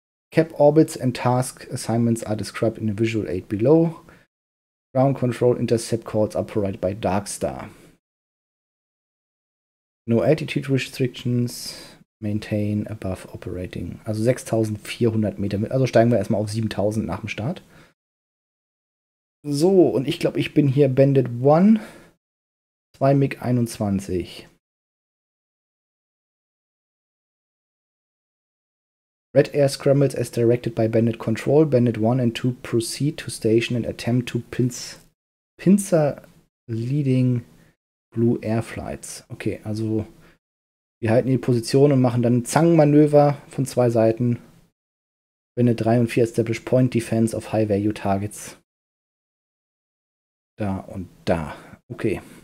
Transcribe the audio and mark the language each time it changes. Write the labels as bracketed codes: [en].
[en] Cap Orbits and Task Assignments are described in the Visual Aid below. Ground Control Intercept Calls are provided by Darkstar. No Altitude Restrictions. Maintain above operating. [de] Also 6400 Meter. Also steigen wir erstmal auf 7000 nach dem Start. So, und ich glaube, ich bin hier Bandit 1. 2 MiG 21. [en] Red Air scrambles as directed by Bandit Control. Bandit 1 and 2 proceed to station and attempt to pincer leading blue air flights. [de] Okay, also wir halten die Position und machen dann ein Zangenmanöver von zwei Seiten. [en] Bandit 3 und 4 establish point defense of high value targets. [de] Da und da. Okay.